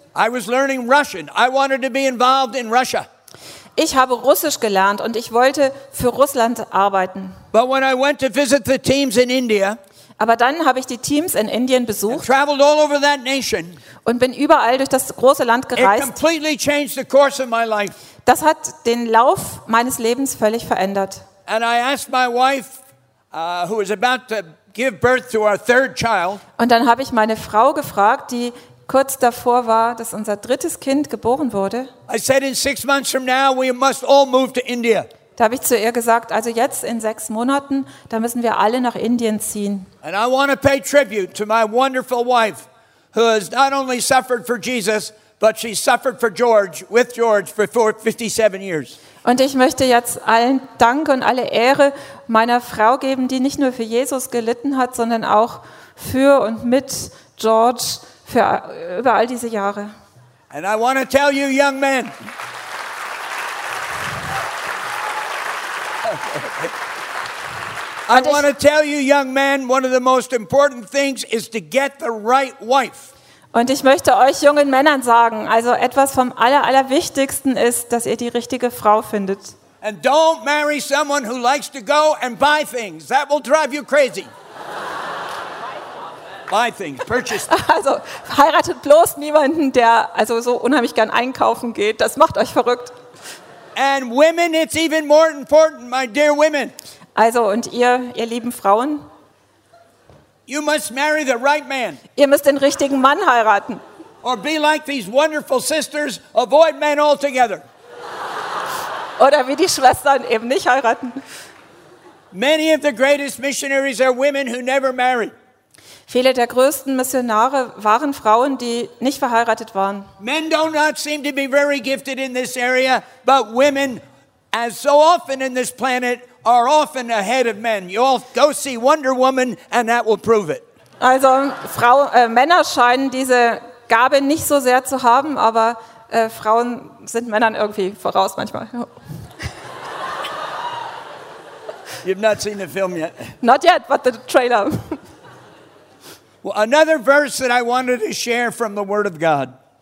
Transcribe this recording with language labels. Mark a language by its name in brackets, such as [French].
[English] I was learning Russian. I wanted to be involved in Russia. [German] Ich habe Russisch gelernt und ich wollte für Russland arbeiten. [English] But when I went to visit the teams in India, [German] aber dann habe ich die Teams in Indien besucht [English] and traveled all over that nation, [German] und bin überall durch das große Land gereist. [English] It completely changed the course of my life. [German] Das hat den Lauf meines Lebens völlig verändert. [English] And I asked my wife, who was about to give birth to our third child, [German] und dann habe ich meine Frau gefragt, die kurz davor war, dass unser drittes Kind geboren wurde. [English] I said, in 6 months from now, we must all move to India. [German] Da habe ich zu ihr gesagt, also jetzt in 6 Monaten, da müssen wir alle nach Indien ziehen. [English] And I want to pay tribute to my wonderful wife, who has not only suffered for Jesus, but she suffered for George, with George, for 57 years. [German] Und ich möchte jetzt allen Dank und alle Ehre meiner Frau geben, die nicht nur für Jesus gelitten hat, sondern auch für und mit George für über all diese Jahre. [English] And I want to tell you, young men. I want to tell you, young men, one of the most important things is to get the right wife. [German] Und ich möchte euch jungen Männern sagen, also etwas vom allerwichtigsten ist, dass ihr die richtige Frau findet. [English] And don't marry someone who likes to go and buy things. That will drive you crazy. Buy things, purchase. [German] Also heiratet bloß niemanden, der also so unheimlich gern einkaufen geht. Das macht euch verrückt. [English] And women, it's even more important, my dear women. [German] Also und ihr lieben Frauen. [English] You must marry the right man. [German] Ihr müsst den richtigen Mann heiraten. [English] Or be like these wonderful sisters, avoid men altogether. [German] Oder wie die Schwestern eben nicht heiraten. [English] Many of the greatest missionaries are women who never married. [German] Viele der größten Missionare waren Frauen, die nicht verheiratet waren. [English] Men do not seem to be very gifted in this area, but women, as so often in this planet, are often ahead of men. You all go see Wonder Woman, and that will prove it. [German] Also, Männer scheinen diese Gabe nicht so sehr zu haben, aber Frauen sind Männern irgendwie voraus manchmal. [English] You've not seen the film yet. Not yet, but the trailer. Well, another verse that I wanted to share from the Word of God.